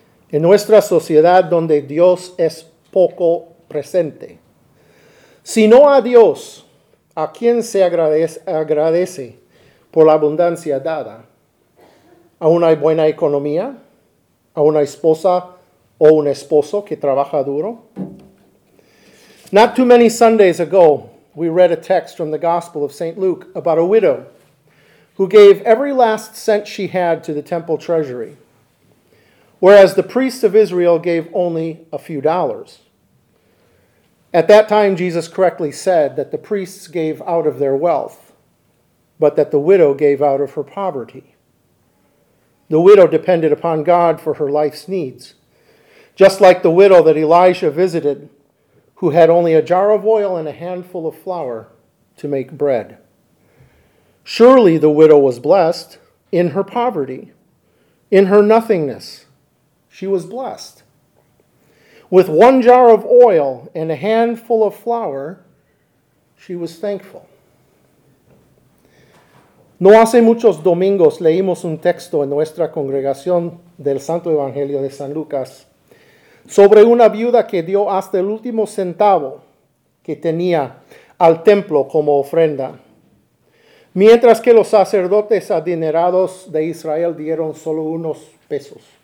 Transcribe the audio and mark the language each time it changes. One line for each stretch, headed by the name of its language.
Spanish: En nuestra sociedad donde Dios es poco presente. Si no a Dios, ¿a quién se agradece por la abundancia dada? ¿Aún hay buena economía? ¿A una esposa o un esposo que trabaja duro?
English: Not too many Sundays ago, we read a text from the Gospel of St. Luke about a widow who gave every last cent she had to the temple treasury, whereas the priests of Israel gave only a few dollars. At that time, Jesus correctly said that the priests gave out of their wealth, but that the widow gave out of her poverty. The widow depended upon God for her life's needs, just like the widow that Elijah visited, who had only a jar of oil and a handful of flour to make bread. Surely the widow was blessed in her poverty, in her nothingness. She was blessed. With one jar of oil and a handful of flour, she was thankful.
Spanish: No hace muchos domingos leímos un texto en nuestra congregación del Santo Evangelio de San Lucas sobre una viuda que dio hasta el último centavo que tenía al templo como ofrenda, mientras que los sacerdotes adinerados de Israel dieron solo unos pesos.